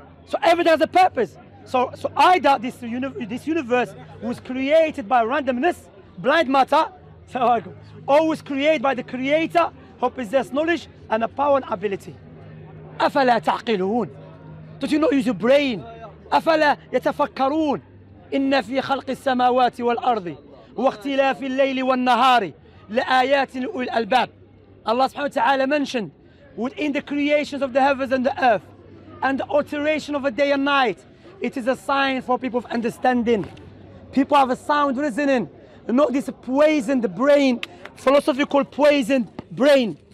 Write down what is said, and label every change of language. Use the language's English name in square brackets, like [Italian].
[English] So everything has a purpose. So either this universe was created by randomness, blind matter, or was created by the creator who possesses knowledge and a power and ability. [Arabic] أفلا تعقلون. [English] Don't you not use your brain? [Arabic] أفلا يتفكرون. إن في خلق السماوات والأرض واختلاف الليل والنهار لآيات لأولي الألباب. [English] Allah subhanahu wa ta'ala mentioned within the creations of the heavens and the earth and the alteration of a day and night, it is a sign for people of understanding. People have a sound reasoning, not this poisoned brain, philosophical poisoned brain.